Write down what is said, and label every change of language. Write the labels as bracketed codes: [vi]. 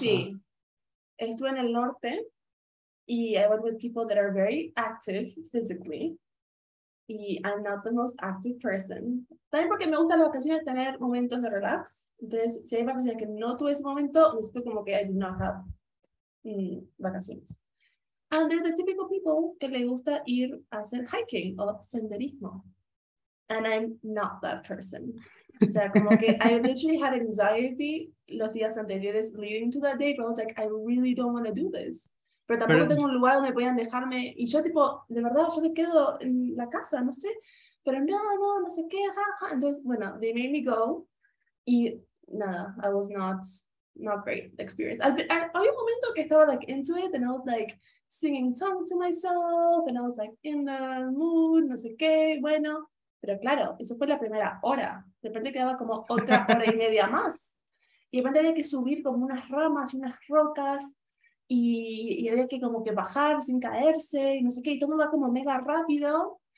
[es] Sí, estuve en el norte y [en] I went with people that are very active physically. Y I'm not the most active person. [es] También porque me gustan las vacaciones tener momentos de relax. Entonces, si hay vacaciones que no tuve ese momento, necesito como que [en] I do not have [es] vacaciones. [en] And they're the typical people [es] que le gusta ir a hacer hiking o senderismo. [en] And I'm not that person. [es] O sea, como que [en] I literally had anxiety [es] los días anteriores [en] leading to that day, but I was like, I really don't want to do this. [es] pero tampoco Pero tengo un lugar donde puedan dejarme. Y yo, tipo, de verdad, yo me quedo en la casa, no sé, pero no, no, no sé qué, ajá. Entonces, bueno, [en] they made me go. [es] Y nada, [en] I was not great experience. [es] Había un momento que estaba [en] like into it, and I was like singing song to myself, and I was like in the mood, [es] no sé qué, bueno. Pero claro, eso fue la primera hora. De repente quedaba como otra hora y media más. Y de repente había que subir como unas ramas y unas rocas y había que como que bajar sin caerse y no sé qué. Y todo me va como mega rápido.